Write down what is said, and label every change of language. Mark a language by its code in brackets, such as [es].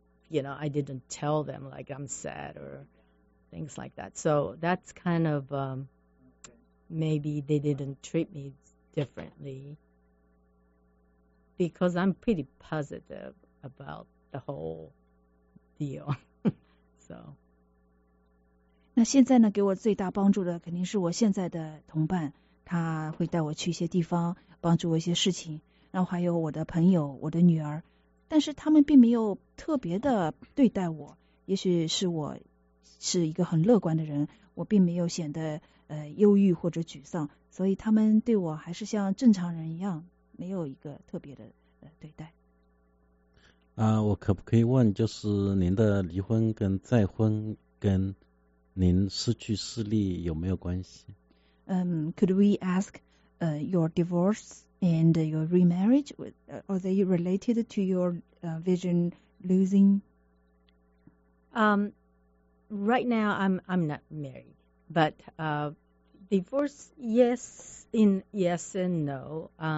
[en] You know, I didn't tell them like I'm sad or things like that. So that's kind of maybe they didn't treat me differently, because I'm pretty positive about the whole deal. So. [zh] 那现在呢，给我最大帮助的肯定是我现在的同伴，他会带我去一些地方，帮助我一些事情，然后还有我的朋友，我的女儿，但是他们并没有特别的对待我，也许是我是一个很乐观的人，我并没有显得忧郁或者沮丧，所以他们对我还是像正常人一样，没有一个特别的对待。我可不可以问，就是您的离婚跟再婚跟您失去视力有没有关系？ [en] Could we ask, your divorce and your remarriage, are they related to your vision losing? Right now, I'm not married, but divorce, yes and no.